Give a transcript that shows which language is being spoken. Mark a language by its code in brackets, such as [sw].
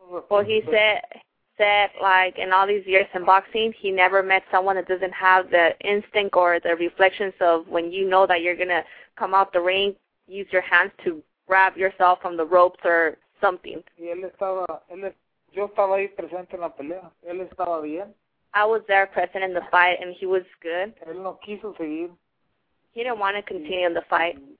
[en] Well, he said like in all these years in boxing, he never met someone that doesn't have the instinct or the reflections of when you know that you're going to come out the ring, use your hands to grab yourself from the ropes or something. [es] Y yo estaba ahí presente en la pelea. Él estaba bien. [en] I was there present in the fight and he was good. [es] Él no quiso seguir. [en] He didn't want to continue in the fight.